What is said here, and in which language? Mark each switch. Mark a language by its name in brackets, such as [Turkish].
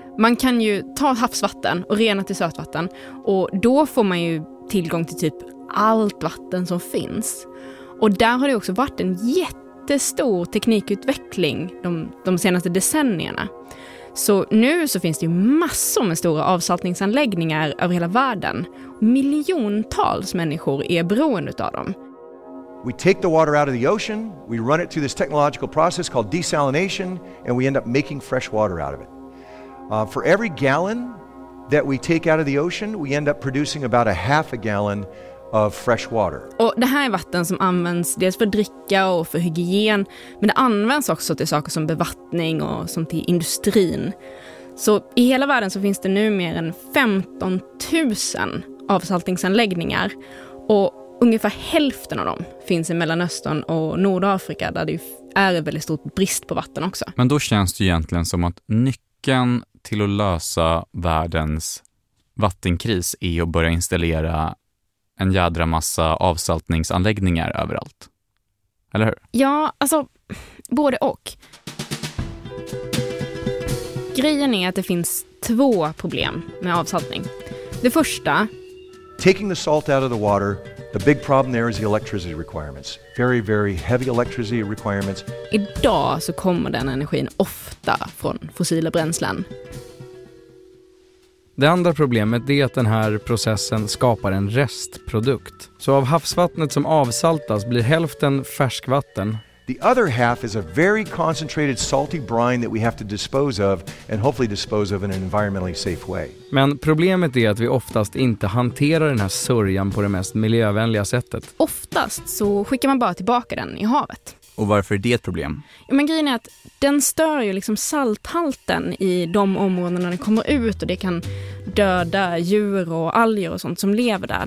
[Swedish] Man kan ju ta havsvatten och rena till sötvatten, och då får man ju tillgång till typ allt vatten som finns. Och där har det också varit en jättestor teknikutveckling de senaste decennierna. Så nu så finns det ju massor med stora avsaltningsanläggningar över hela världen. Miljontals människor är beroende av dem. [English] We take the water out of the ocean, we run it through this technological process called desalination, and we end up making fresh water out of it. For every gallon that we take out of the ocean, we end up producing about a half a gallon of fresh water. [Swedish] Och det här är vatten som används dels för dricka och för hygien, men det används också till saker som bevattning och som till industrin. Så i hela världen så finns det nu mer än 15 000 avsaltningsanläggningar, och ungefär hälften av dem finns i Mellanöstern och Nordafrika, där det är ett väldigt stort brist på vatten också. Men då känns det egentligen som att nyckeln till att lösa världens vattenkris är att börja installera en jädra massa avsaltningsanläggningar överallt. Eller hur? Ja, alltså både och. Grejen är att det finns två problem med avsaltning. Det första... [English] Taking the salt out of the water, the big problem there is the electricity requirements. Very, very heavy electricity requirements. [Swedish] Idag så kommer den energin ofta från fossila bränslen. Det andra problemet är att den här processen skapar en restprodukt. Så av havsvattnet som avsaltas blir hälften färskvatten. [English] The other half is a very concentrated salty brine that we have to dispose of and hopefully dispose of in an environmentally safe way. [Swedish] Men problemet är att vi oftast inte hanterar den här sörjan på det mest miljövänliga sättet. Oftast så skickar man bara tillbaka den i havet. Och varför är det ett problem? Ja, men grejen är att den stör ju liksom salthalten i de områden när den kommer ut, och det kan döda djur och alger och sånt som lever där.